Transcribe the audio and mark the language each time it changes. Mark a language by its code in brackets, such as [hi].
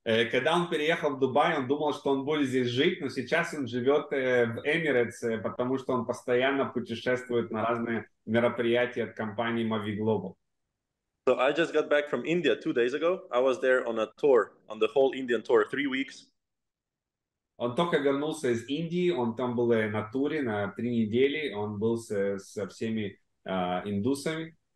[ru] Когда он переехал в Дубай, он думал, что он будет здесь жить, но сейчас он живет в Emirates, потому что он постоянно путешествует на разные мероприятия от компании Mavie Global. [en] So I just got back from India 2 days ago. I was there on a tour, on the whole Indian tour, 3 weeks. [ru] Он только вернулся из Индии, он там был на туре на 3 недели, он был со всеми индусами.